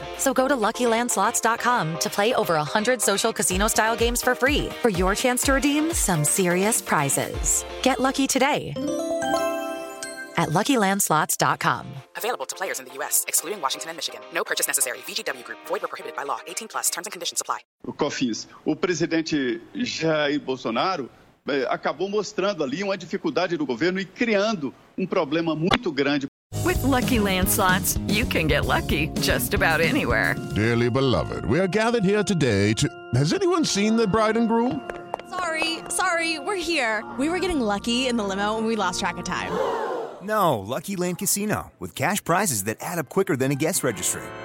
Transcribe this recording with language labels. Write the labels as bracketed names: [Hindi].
[English] So go to LuckyLandSlots.com to play over 100 social casino-style games for free for your chance to redeem some serious prizes. Get lucky today at LuckyLandSlots.com. Available to players in the U.S., excluding Washington and Michigan. No purchase necessary. VGW Group. Void or prohibited by law. 18 plus. Terms and conditions apply. [Portuguese] Cofins, o presidente Jair Bolsonaro acabou mostrando ali uma dificuldade do governo e criando problema muito grande. [English] With Lucky Land Slots, you can get lucky just about anywhere. Dearly beloved, we are gathered here today to... Has anyone seen the bride and groom? Sorry, sorry, we're here. We were getting lucky in the limo and we lost track of time. No, Lucky Land Casino, with cash prizes that add up quicker than a guest registry.